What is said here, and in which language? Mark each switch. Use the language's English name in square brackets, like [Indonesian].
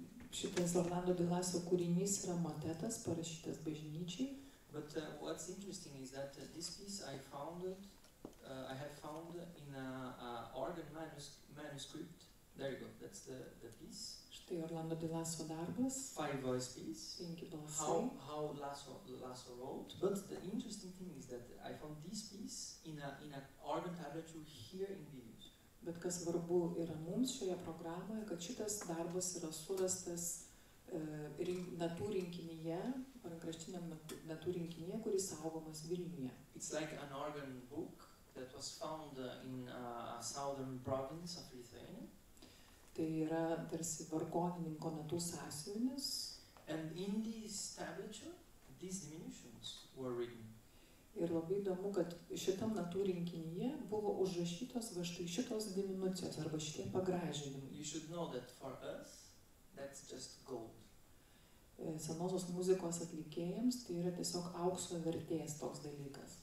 [Lithuanian] Šitas Orlando di Lasso kūrinys yra motetas, parašytas bažnyčiai. [English] But what's interesting is that this piece I found it, I have found in a organ manuscript. There you go. That's the piece. [Lithuanian] Štai Orlando di Lasso darbas. [English] Five voice piece. How Lasso wrote. But the interesting thing is that I found this piece in a organ tablature here in Vilnius. [Lithuanian] Bet kas svarbu yra mums šioje programoje, kad šitas darbas yra surastas natų rinkinyje, rankraštiniam natų rinkinyje, kuris saugomas Vilniuje. [English] It's like an organ book that was found in a southern province of Lithuania. [Lithuanian] Tai yra tarsi vargonininko natų sąsiuvinis. [English] And in this tablature, these diminutions were written. [Lithuanian] Ir labai įdomu, kad šitam natų rinkinyje buvo užrašytos va štai šitos diminucijos arba šitie pagražinimai. [English] You should know that for us, that's just gold. [Lithuanian] Senosios muzikos atlikėjams tai yra tiesiog aukso vertės toks dalykas.